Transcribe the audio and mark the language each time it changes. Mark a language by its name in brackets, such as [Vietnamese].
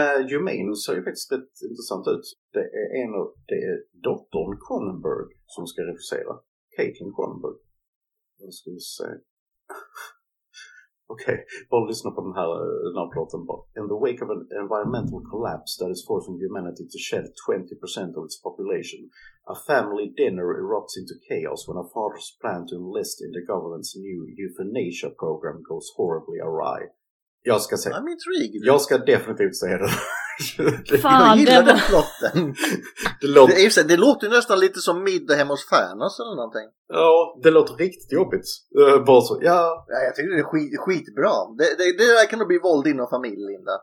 [Swedish] Humane ser ju faktiskt rätt intressant ut. Det är en av, det är dottern Cronenberg som ska regissera. Caitlin Cronenberg. Jag ska se. [English] Okay, well, listen up on how not broken, but in the wake of an environmental collapse that is forcing humanity to shed 20% of its population, a family dinner erupts into chaos when a father's plan to enlist in the government's new euthanasia program goes horribly awry. [Swedish] Jag ska säga, [English] I'm intrigued. [Swedish] Jag ska definitivt säga det. Fan, jag gillar den plotten. Det låter nästan lite som middag hemma hos Färnas eller någonting. Ja, det låter riktigt jobbigt. Bara så. Ja. Ja, jag tycker det är skitbra. Det där kan nog bli våld inom familjen där.